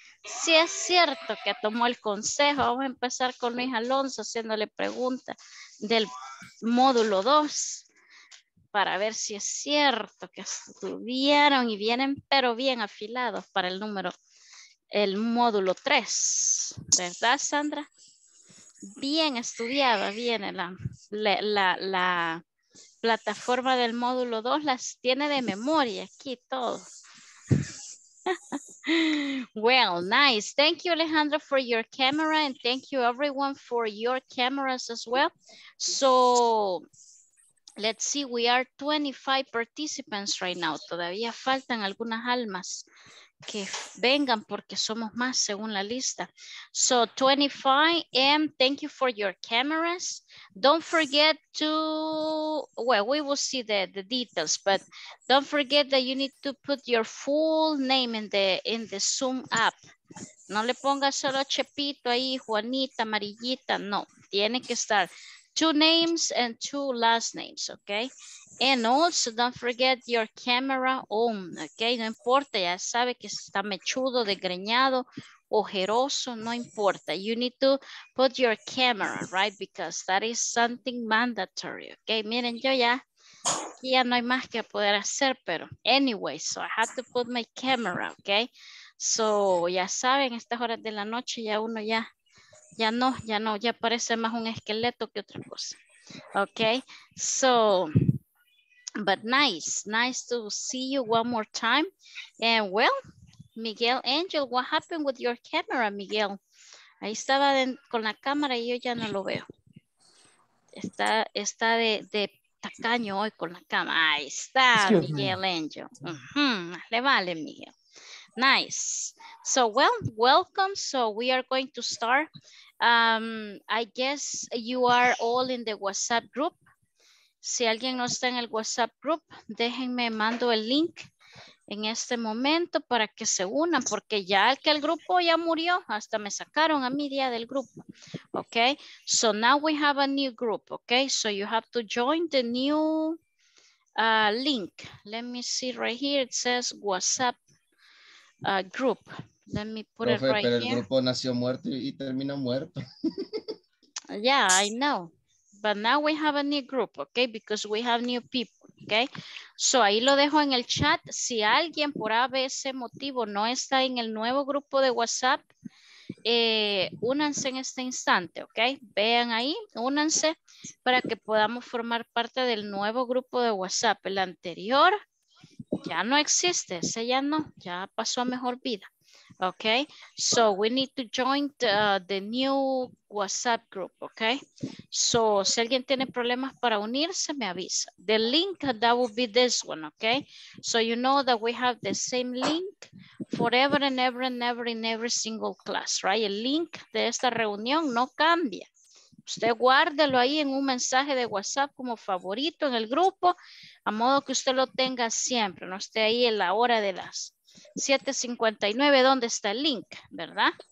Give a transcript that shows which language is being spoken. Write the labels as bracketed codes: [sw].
[es] Sí, es cierto que tomó el consejo. Vamos a empezar con Luis Alonso haciéndole preguntas del módulo 2 para ver si es cierto que estudiaron y vienen, pero bien afilados para el número, el módulo 3. ¿Verdad, Sandra? Bien estudiada viene la plataforma del módulo 2, las tiene de memoria aquí todo. [en] Well, nice. Thank you, Alejandro, for your camera, and thank you everyone for your cameras as well. So let's see, we are 25 participants right now. [es] Todavía faltan algunas almas que vengan porque somos más según la lista. [en] So 25, and thank you for your cameras. Don't forget to, well, we will see the details, but don't forget that you need to put your full name in the Zoom app. [es] No le ponga solo Chepito ahí, Juanita, Marillita, no. Tiene que estar [en] two names and two last names, okay? And also, don't forget your camera on, okay? [es] No importa, ya sabe que está mechudo, desgreñado, ojeroso, no importa. [en] You need to put your camera, right? Because that is something mandatory, okay? [es] Miren, yo ya, aquí ya no hay más que poder hacer, pero [en] anyway, so I have to put my camera, okay? [es] So, ya saben, estas horas de la noche ya uno ya, ya parece más un esqueleto que otra cosa, okay? So... [en] But nice to see you one more time. And well, Miguel Angel, what happened with your camera, Miguel? [es] Ahí estaba de, con la cámara y yo ya no lo veo. Está de tacaño hoy con la cámara. Ahí está, Miguel Angel. Le vale, Miguel. Nice. [en] So, well, welcome. So, we are going to start. I guess you are all in the WhatsApp group. [es] Si alguien no está en el WhatsApp group, déjenme, mando el link en este momento para que se unan, porque ya que el grupo ya murió, hasta me sacaron a mí día del grupo, ok? [en] So now we have a new group, ok? So you have to join the new link. Let me see right here, it says WhatsApp group. Let me put [es] profe, [en] it right [es] pero [en] here. [es] El grupo nació muerto y termina muerto. [en] Yeah, I know. But now we have a new group, okay? Because we have new people, okay? So [es] ahí lo dejo en el chat. Si alguien por ABC motivo no está en el nuevo grupo de WhatsApp, únanse en este instante, okay? Vean ahí, únanse para que podamos formar parte del nuevo grupo de WhatsApp. El anterior ya no existe, ese ya no, ya pasó a mejor vida. [en] Okay, so we need to join the new WhatsApp group, okay? [es] So, si alguien tiene problemas para unirse, me avisa. [en] The link, that will be this one, okay? So you know that we have the same link forever and ever and ever in every single class, right? [es] El link de esta reunión no cambia. Usted guárdelo ahí en un mensaje de WhatsApp como favorito en el grupo, a modo que usted lo tenga siempre, no esté ahí en la hora de las... 7:59, ¿dónde está el link? ¿Verdad?